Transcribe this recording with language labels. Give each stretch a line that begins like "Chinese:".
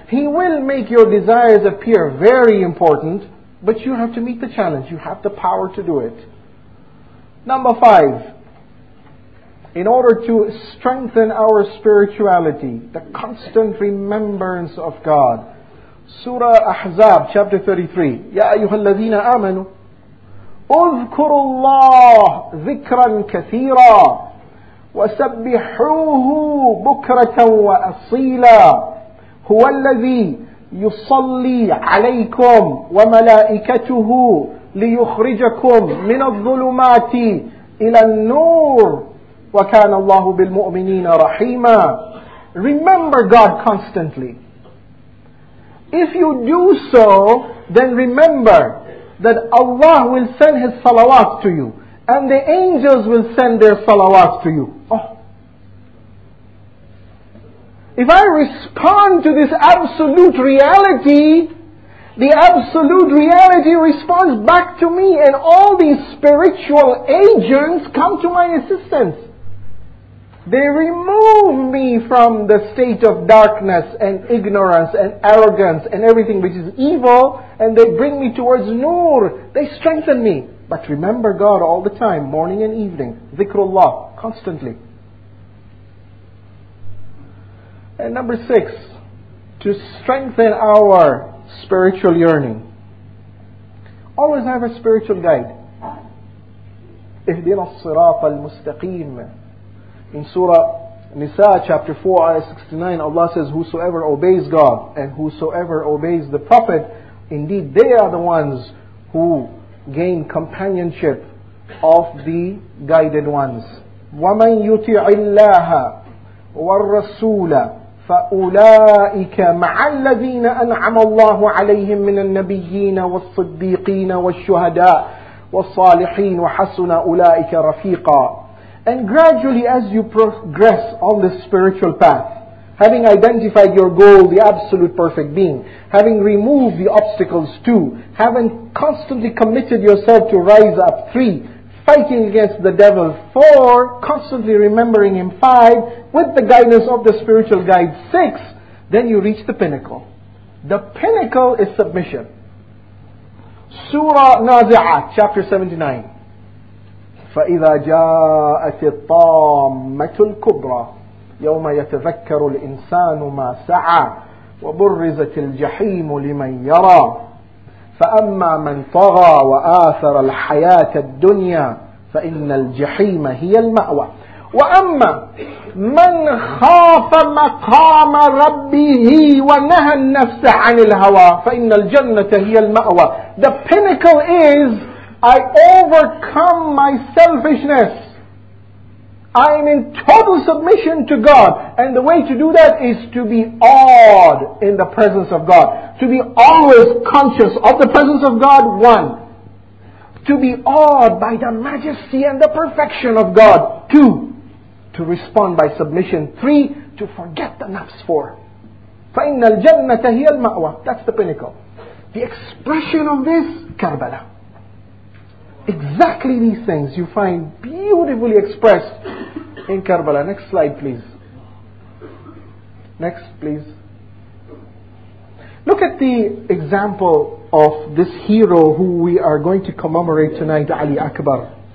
English: He will make your desires appear very important. But you have to meet the challenge. You have the power to do it. Number five. In order to strengthen our spirituality, the constant remembrance of God. Surah Ahzab, chapter 33.
Arabic: Ya ayuha alladhina amanu. اذكروا الله ذكرا كثيرا وسبحوه بكرة وأصيلا هو الذي يصلي عليكم وملائكته ليخرجكم من الظلمات إلى النور وكان الله بالمؤمنين رحيما.
English: Remember God constantly. If you do so, then remember that Allah will send His salawat to you, and the angels will send their salawat to you. Oh. If I respond to this absolute reality, the absolute reality responds back to me, and all these spiritual agents come to my assistance. They remove me from the state of darkness and ignorance and arrogance and everything which is evil, and they bring me towards nur. They strengthen me. But remember God all the time, morning and evening. Dhikrullah, constantly. And number six, to strengthen our spiritual yearning. Always have a spiritual guide.
Arabic: Ihdina الصراط المستقيم.
English: In Surah Nisa, chapter 4, ayah 69, Allah says, whosoever obeys God and whosoever obeys the Prophet, indeed they are the ones who gain companionship of the guided ones.
Arabic: وَمَنْ يُطِعِ اللَّهَ وَالرَّسُولَ فَأُولَٰئِكَ مَعَ الَّذِينَ أَنْعَمَ اللَّهُ عَلَيْهِمْ مِنَ النَّبِيِّينَ وَالصِّدِّيقِينَ وَالشُّهَدَاءِ وَالصَّالِحِينَ وَحَسُنَ أُولَٰئِكَ رَفِيقًا.
English: And gradually as you progress on this spiritual path, having identified your goal, the absolute perfect being, having removed the obstacles too, having constantly committed yourself to rise up three, fighting against the devil four, constantly remembering him five, with the guidance of the spiritual guide six, then you reach the pinnacle. The pinnacle is submission. Surah Nazi'at, chapter 79.
Arabic: فَإِذَا جَاءَتِ الطَّامَّةُ الْكُبْرَى يَوْمَ يَتَذَكَّرُ الْإِنسَانُ مَا سَعَى وَبُرِّزَتِ الْجَحِيمُ لِمَنْ يَرَى فَأَمَّا مَنْ طَغَى وَآثَرَ الْحَيَاةَ الدُّنْيَا فَإِنَّ الْجَحِيمَ هِيَ الْمَأْوَى وَأَمَّا مَنْ خَافَ مَقَامَ رَبِّهِ وَنَهَى النَّفْسَ عَنِ الْهَوَى فَإِنَّ الْجَنَّةَ هِيَ الْمَأْوَى
English: The pinnacle is, I overcome my selfishness. I'm in total submission to God. And the way to do that is to be awed in the presence of God. To be always conscious of the presence of God, one. To be awed by the majesty and the perfection of God, two. To respond by submission, three. To forget the nafs, four.
Arabic: فَإِنَّ الْجَنَّةَ هِيَ الْمَأْوَى
English: That's the pinnacle. The expression of this, Karbala. Exactly these things you find beautifully expressed in Karbala. Next slide, please. Next, please. Look at the example of this hero who we are going to commemorate tonight, Ali Akbar.